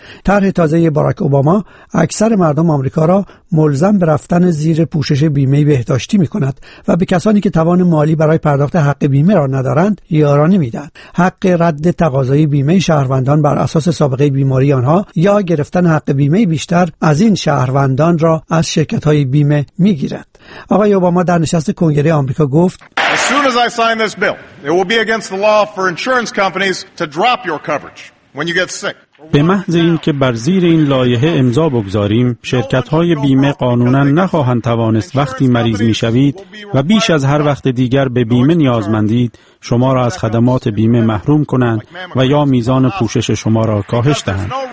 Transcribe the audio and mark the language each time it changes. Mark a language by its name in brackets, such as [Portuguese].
[Persian] طرح تازه باراک اوباما اکثر مردم آمریکا را ملزم به رفتن زیر پوشش بیمه بهداشتی میکند و به کسانی که توان مالی برای پرداخت حق بیمه را ندارند یارانه میدهد. حق رد تقاضای بیمه شهروندان بر اساس سابقه بیماری آنها یا گرفتن حق بیمه بیشتر از این شهروندان را از شرکت های بیمه میگیرد. آقای اوباما در نشست کنگره آمریکا گفت: [English] As soon as I sign this bill, it will be against the law for insurance companies to drop your coverage when you get sick. [Persian] به محض اینکه بر زیر این لایحه امضا بگذاریم، شرکت‌های بیمه قانوناً نخواهند توانست وقتی مریض می‌شوید و بیش از هر وقت دیگر به بیمه نیازمندید، شما را از خدمات بیمه محروم کنند و یا میزان پوشش شما را کاهش دهند.